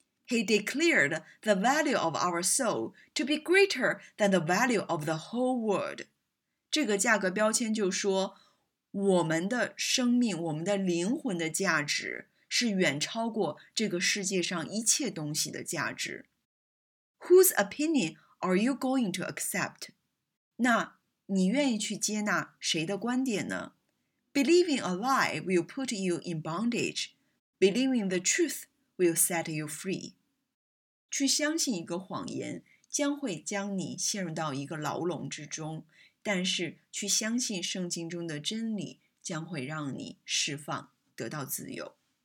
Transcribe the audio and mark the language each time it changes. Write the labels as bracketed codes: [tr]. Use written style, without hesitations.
[en] He declared the value of our soul to be greater than the value of the whole world. [zh] 这个价格标签就说，我们的生命，我们的灵魂的价值是远超过这个世界上一切东西的价值。 [en] Whose opinion are you going to accept? [zh] 那你愿意去接纳谁的观点呢？ [en] Believing a lie will put you in bondage. Believing the truth will set you free. [zh] 去相信一个谎言将会将你陷入到一个牢笼之中，但是去相信圣经中的真理将会让你释放，得到自由。